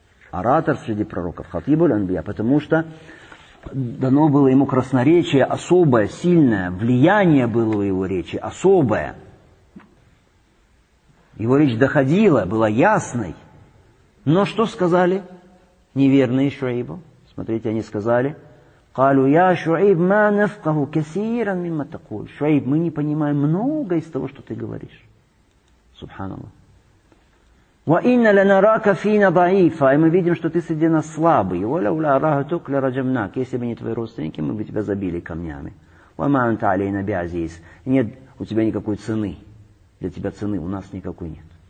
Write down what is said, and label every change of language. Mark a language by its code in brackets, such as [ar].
[ru] Оратор среди пророков, Хатибуль Анбия. Потому что дано было ему красноречие особое, сильное, влияние было у его речи особое. Его речь доходила, была ясной. Но что сказали неверные Шуайбу? Смотрите, они сказали, [ar] قالوا يا شعيب ما نفقه كثيرا مما تقول. [ru] شعيب, мы не понимаем много из того, что ты говоришь. [ar] سبحان الله. وإن لنراك فينا ضعيفا, [ru] и мы видим, что ты среди нас слабый. [ar] ولولا رهتك لرجمناك, [ru] если бы не твои родственники, мы бы тебя забили камнями. [ar] وما أنت علينا بعزيز, [ru] нет у тебя никакой цены, для тебя цены у нас никакой нет.